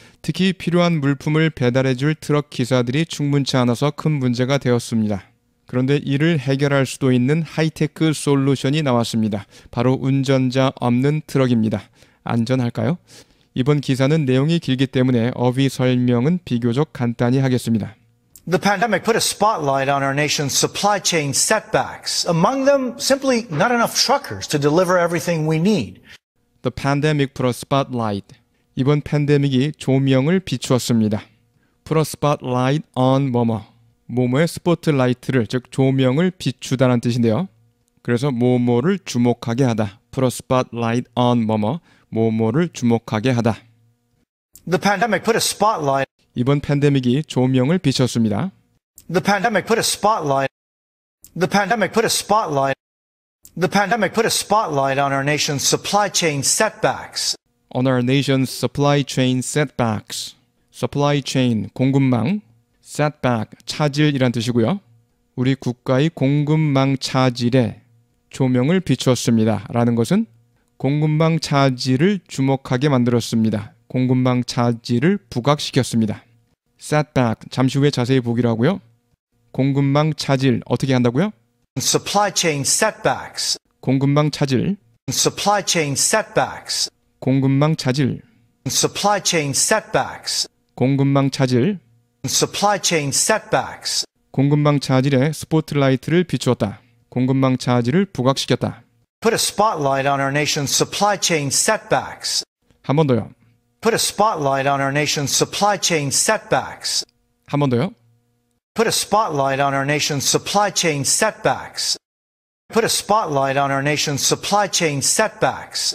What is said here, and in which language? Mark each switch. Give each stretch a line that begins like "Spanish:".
Korean: 특히 필요한 물품을 배달해줄 트럭 기사들이 충분치 않아서 큰 문제가 되었습니다. 그런데 이를 해결할 수도 있는 하이테크 솔루션이 나왔습니다. 바로 운전자 없는 트럭입니다. 안전할까요? 이번 기사는 내용이 길기 때문에 어휘 설명은 비교적 간단히 하겠습니다.
English: The pandemic put a spotlight on our nation's supply chain setbacks. Among them, simply not enough truckers to deliver everything we need. The pandemic put a spotlight.
Korean: 이번 팬데믹이 조명을 비추었습니다.
English: Put a spotlight on 뭐뭐.
Korean: 뭐뭐의 스포트라이트를, 즉 조명을 비추다는 뜻인데요. 그래서 뭐뭐를 주목하게 하다.
English: Put a spotlight on
Korean: 뭐뭐. 뭐뭐를 주목하게 하다.
English: The pandemic put a spotlight.
Korean: 이번 팬데믹이 조명을 비쳤습니다.
English: The pandemic put a spotlight. The pandemic put a spotlight. The pandemic put a spotlight on our nation's supply chain setbacks. On our nation's supply chain setbacks. Supply chain
Korean: 공급망,
English: setback
Korean: 차질이란 뜻이고요. 우리 국가의 공급망 차질에 조명을 비추었습니다.라는 것은 공급망 차질을 주목하게 만들었습니다. 공급망 차질을 부각시켰습니다. Setback, 잠시 후에 자세히 보기로 하고요. 공급망 차질, 어떻게 한다고요?
English: Supply chain setbacks.
Korean: 공급망 차질.
English: Supply chain setbacks.
Korean: 공급망 차질.
English: Supply chain setbacks.
Korean: 공급망 차질.
English: Supply chain setbacks.
Korean: 공급망 차질에 스포트라이트를 비추었다. 공급망 차질을 부각시켰다.
English: Put a spotlight on our nation's supply chain setbacks.
Korean: 한 번 더요.
English: Put a spotlight on our nation's supply chain setbacks.
Korean: 한 번 더요.
English: Put a spotlight on our nation's supply chain setbacks. Put a spotlight on our nation's supply chain setbacks.